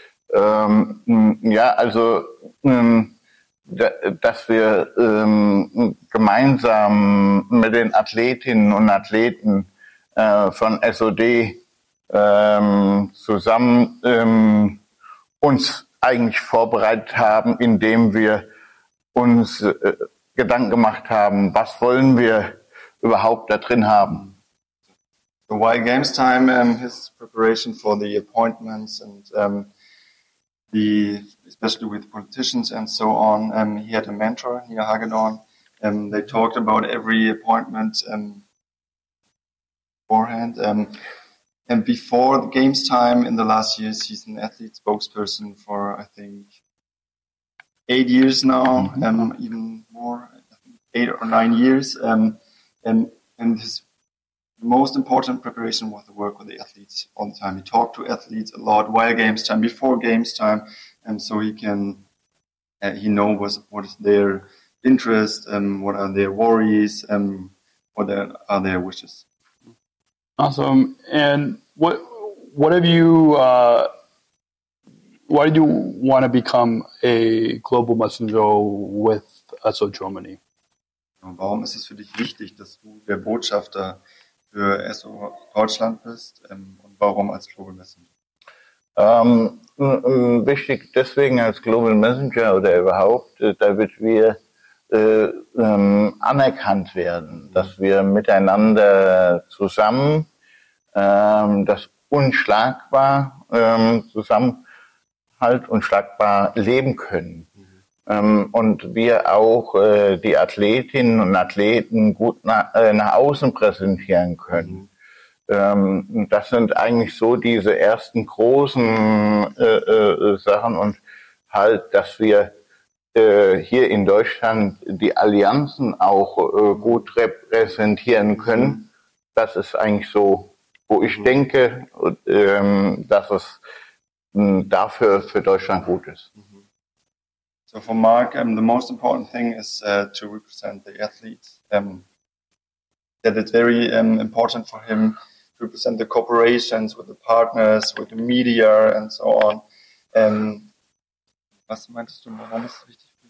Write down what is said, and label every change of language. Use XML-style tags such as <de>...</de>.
<de>Dass wir gemeinsam mit den Athletinnen und Athleten von SOD zusammen uns eigentlich vorbereitet haben, indem wir uns Gedanken gemacht haben, was wollen wir überhaupt da drin haben.</de> <en>So why games time, his preparation for the appointments and the, especially with politicians and so on, he had a mentor, Nia Hagedorn, they talked about every appointment beforehand. And before the games time in the last years, he's an athlete spokesperson for, I think, 8 years now, even more, I think 8 or 9 years. And his most important preparation was the work with the athletes all the time. He talked to athletes a lot while games time, before games time, and so he can, he knows what is their interest, what are their worries, what are their wishes. Awesome. And what have you, why did you want to become a global messenger with ASO Germany?</en> <de>Warum ist es für dich wichtig, dass du der Botschafter für ASO Deutschland bist? Und warum als Global Messenger? Wichtig deswegen als Global Messenger oder überhaupt, damit wir anerkannt werden, dass wir miteinander zusammen das unschlagbar zusammenhalt unschlagbar leben können. Und wir auch die Athletinnen und Athleten gut nach außen präsentieren können. Das sind eigentlich so diese ersten großen Sachen und halt, dass wir hier in Deutschland die Allianzen auch gut repräsentieren können. Das ist eigentlich so, wo ich denke, dass es dafür für Deutschland gut ist.</de> <en>So for Mark, the most important thing is to represent the athletes. That it's very important for him to represent the corporations with the partners, with the media and so on.</en> <de>Was meinst du, warum ist es wichtig?</de>